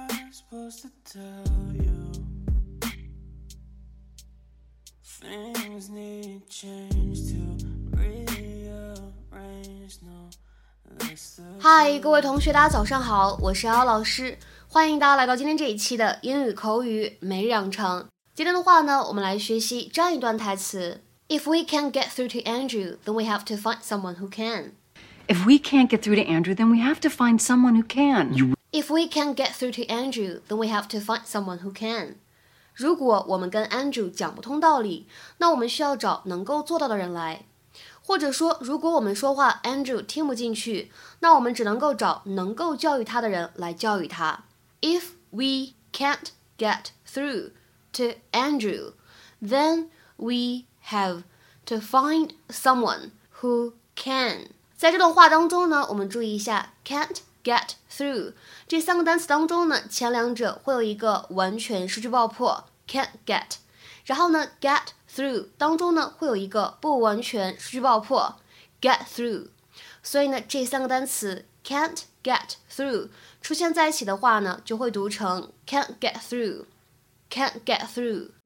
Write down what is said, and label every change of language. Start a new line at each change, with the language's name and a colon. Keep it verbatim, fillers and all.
English: supposed to tell you things need change to rearrange. No.
Chinese: 嗨，各位同学，大家早上好，我是姚老师，欢迎大家来到今天这一期的英语口语每日养成。今天的话呢，我们来学习这样一段台词 ：
English: If we can't get through to Andrew, then we have to find someone who can. If we can't get through to Andrew, then we have to find someone who can. If we can't get through to Andrew, then we have to find someone who can.
Chinese: 如果我们跟 Andrew 讲不通道理，那我们需要找能够做到的人来。或者说，如果我们说话 Andrew 听不进去，那我们只能够找能够教育他的人来教育他。
English: If we can't get through to Andrew, then we have to find someone who can.
Chinese: 在这段话当中呢，我们注意一下 can't get through 这三个单词当中呢，前两者会有一个完全失去爆破 can't get， 然后呢 get through 当中呢会有一个不完全失去爆破 get through， 所以呢这三个单词 can't get through 出现在一起的话呢，就会读成
English: can't get through can't get through。